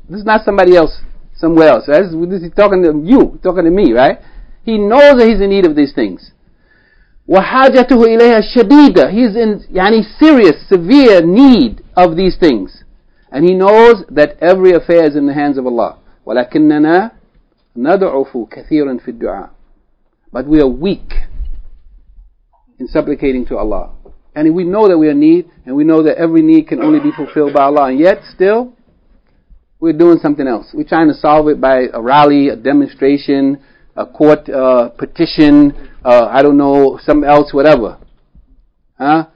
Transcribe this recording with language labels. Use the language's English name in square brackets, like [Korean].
[English] This is not somebody else, somewhere else. Right? This is talking to you, talking to me, right? He knows that he's in need of these things. [Arabic] وحاجته إليها شديدة. [English] He's in yani serious, severe need of these things. And he knows that every affair is in the hands of Allah. [Arabic] ولكننا نضعف كثيرا في الدعاء. [English] But we are weak in supplicating to Allah. And we know that we are in need, and we know that every need can only be fulfilled by Allah. And yet, still, we're doing something else. We're trying to solve it by a rally, a demonstration, a court petition, I don't know, something else, whatever. Huh?